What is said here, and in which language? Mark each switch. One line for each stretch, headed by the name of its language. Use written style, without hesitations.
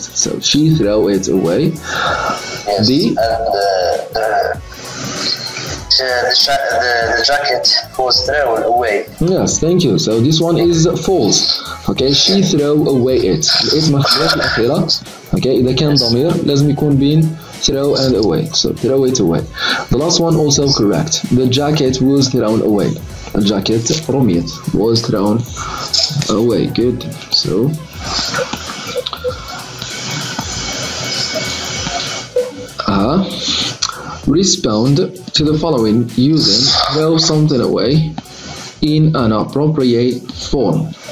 English: So she threw it away. Yes, the, and the jacket was thrown away. Yes, thank you. So this one is false. Okay, she threw away it. It's my first الأخيرة.
Arabic: Okay, إذا كان ضمير لازم يكون بين
English: throw and away. So throw it away. The last one also correct. The jacket was thrown away. The jacket رميت was thrown away. Good. So respond to the following using throw something away in an appropriate form.